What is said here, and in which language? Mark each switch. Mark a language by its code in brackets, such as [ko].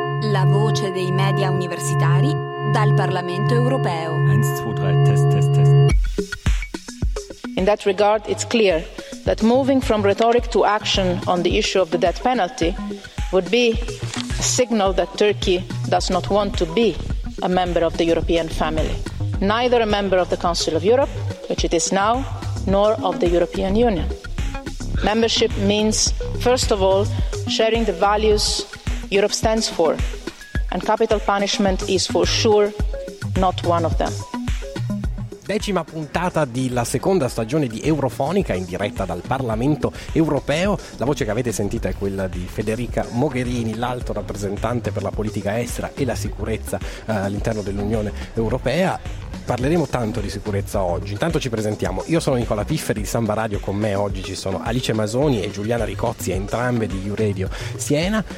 [it] La voce dei media universitari dal Parlamento Europeo. 1, 2, 3, test, test, test. [en] In that regard, it's clear that moving from rhetoric to action on the issue of the death penalty would be a signal that Turkey does not want to be a member of the European family, neither a member of the Council of Europe, which it is now, nor of the European Union. Membership means, first of all, sharing the values Europe stands for, and capital punishment is for sure not one of them. [it] Decima puntata della seconda stagione di Europhonica in diretta dal Parlamento Europeo. La voce che avete sentito è quella di Federica Mogherini, l'alto rappresentante per la politica estera e la sicurezza all'interno dell'Unione Europea. Parleremo tanto di sicurezza oggi. Intanto ci presentiamo. Io sono Nicola Pifferi di Samba Radio, con me oggi ci sono Alice Masoni e Giuliana Ricozzi, entrambe di Uradio Siena.